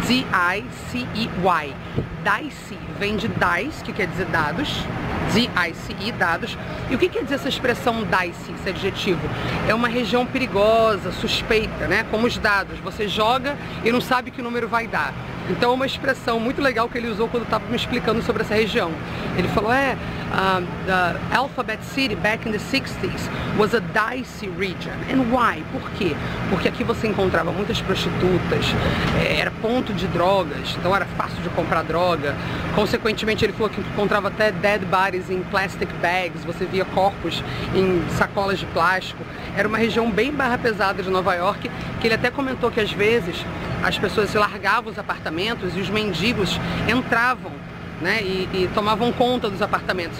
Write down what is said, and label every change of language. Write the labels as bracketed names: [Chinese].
[Portuguese] D-I-C-E-Y. Dicey vem de dice, que quer dizer dados. D-I-C-E, dados. E o que quer dizer essa expressão dicey, esse adjetivo? É uma região perigosa, suspeita, né? Como os dados. Você joga e não sabe que número vai dar. Então é uma expressão muito legal que ele usou quando estava me explicando sobre essa região. Ele falou, [English] the Alphabet City back in the 60s was a dicey region. And why? [Portuguese] Por quê? Porque aqui você encontrava muitas prostitutas, era ponto de drogas, então era fácil de comprar droga. Consequentemente, ele falou que encontrava até [English] dead bodies [Portuguese] em [English] plastic bags, [Portuguese] você via corpos em sacolas de plástico. Era uma região bem barra pesada de Nova York, que ele até comentou que às vezes as pessoas largavam os apartamentos e os mendigos entravam, né, e tomavam conta dos apartamentos.